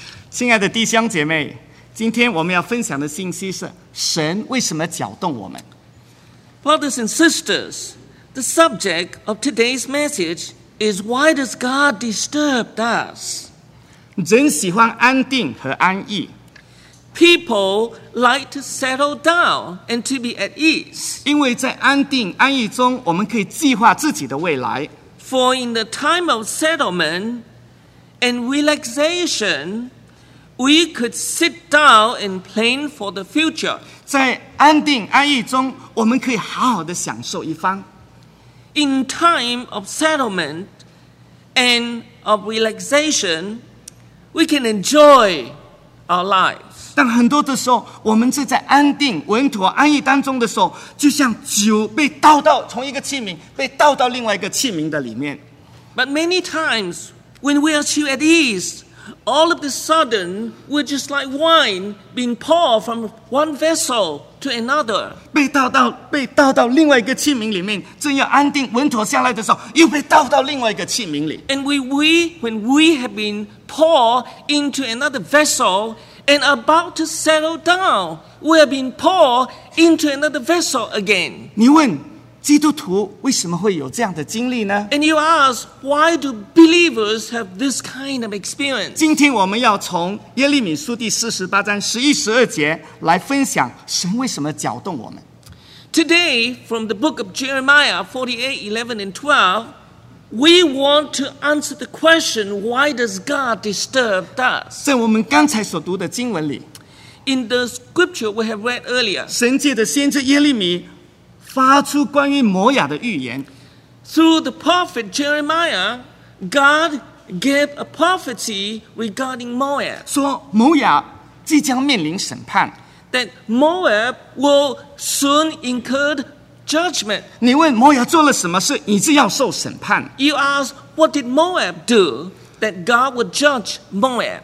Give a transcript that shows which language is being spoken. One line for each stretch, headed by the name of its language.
Chinese: 亲爱的弟兄姐妹，今天我们要分享的信息是神为什么搅动我们。
English: Brothers and sisters, the subject of today's message is why does God disturb us?
Chinese: 人喜欢安定和安逸。
English: People like to settle down and to be at ease.
Chinese: 因为在安定安逸中，我们可以计划自己的未来。
English: For in the time of settlement and relaxation,We could sit down and plan for the future.
Chinese: 在安定安逸中，我们可以好好的享受一番。
English: In time of settlement and of relaxation, we can enjoy our lives.
Chinese: 但很多的时候，我们是在安定、稳妥、安逸当中的时候，就像酒被倒到从一个器皿被倒到另外一个器皿的里面。
English: But many times when we are too at ease,All of a sudden, we're just like wine being poured from one vessel to another.
Chinese: 被倒到另外一个器皿里面，正要安定稳妥下来的时候，又被倒到另外一个器皿里。
English: And when we have been poured into another vessel and about to settle down, we have been poured into another vessel again.
Chinese: 你问基督徒为什么会有这样的经历呢？
English: And you ask, why do believers have this kind of experience?
Chinese: 今天我们要从耶利米书第48章11、12节来分享神为什么搅动我们。
English: Today, from the book of Jeremiah 48, 11 and 12, we want to answer the question, why does God disturb us?
Chinese: 在我们刚才所读的经文里，
English: In the scripture we have read earlier,
Chinese: 神借着先知耶利米发出关于摩亚的预言。
English: Through the prophet Jeremiah, God gave a prophecy regarding Moab.
Chinese: 说摩亚即将面临审判。
English: That Moab will soon incur judgment.
Chinese: 你问摩亚做了什么事，以致要受审判。
English: You ask, what did Moab do that God would judge Moab?